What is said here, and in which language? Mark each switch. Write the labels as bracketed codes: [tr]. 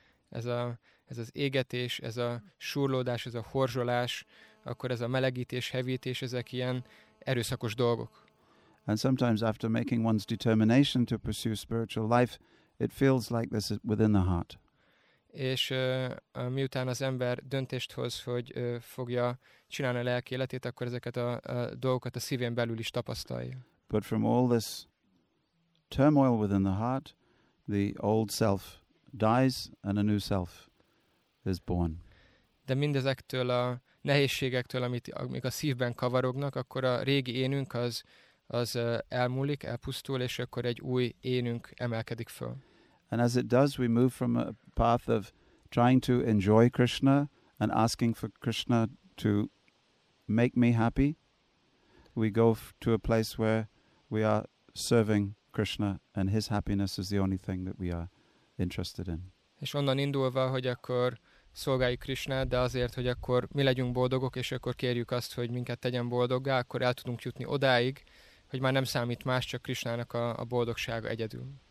[hu] Ez az égetés, ez a súrlódás, ez a horzsolás, akkor ez a melegítés, hevítés, ezek ilyen erőszakos dolgok. [en] And sometimes after making one's determination to pursue spiritual life, it feels like this within the heart. [hu] És miután az ember döntést hoz, hogy fogja csinálni a lelki életét, akkor ezeket a dolgokat a szívén belül is tapasztalja. [en] But from all this turmoil within the heart, the old self dies and a new self is born. [hu] De mindezektől a nehézségektől, amik a szívben kavarognak, akkor a régi énünk az elmúlik, elpusztul, és akkor egy új énünk emelkedik föl. [en] And as it does, we move from a path of trying to enjoy Krishna and asking for Krishna to make me happy. We go to a place where we are serving Krishna and his happiness is the only thing that we are interested in. [hu] És onnan indulva, hogy akkor szolgáljuk Krishnát, de azért, hogy akkor mi legyünk boldogok, és akkor kérjük azt, hogy minket tegyen boldoggá, akkor el tudunk jutni odáig, hogy már nem számít más, csak Krishnának a boldogsága egyedül.